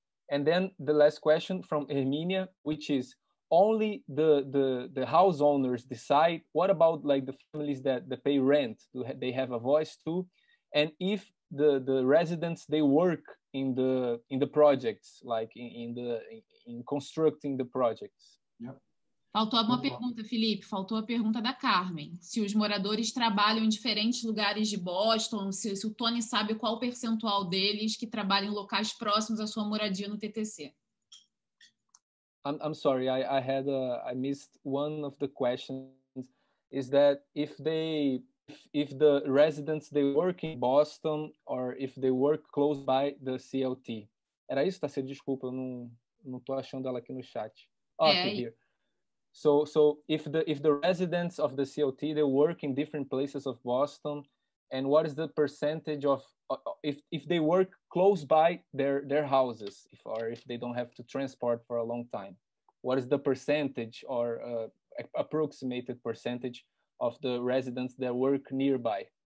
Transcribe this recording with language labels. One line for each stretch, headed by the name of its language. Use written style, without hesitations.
English: And then the last question from Herminia, which is, only the house owners decide. What about like the families that pay rent? Do they have a voice too? And if the residents, they work in the projects, like in constructing the projects.
Portuguese: Yep. Faltou uma pergunta, Felipe. Faltou a pergunta da Carmen. Se os moradores trabalham em diferentes lugares de Boston, se o Tony sabe qual o percentual deles que trabalham em locais próximos à sua moradia no TTC.
English: I'm sorry, I missed one of the questions. Is that if the residents they work in Boston or if they work close by the CLT.
Portuguese: Era isso, tá? Desculpa, eu não tô achando ela aqui no chat.
English: Okay, here. So if the residents of the CLT they work in different places of Boston, and what is the percentage of if they work close by their houses if they don't have to transport for a long time. What is the percentage or approximated percentage of the residents that work nearby?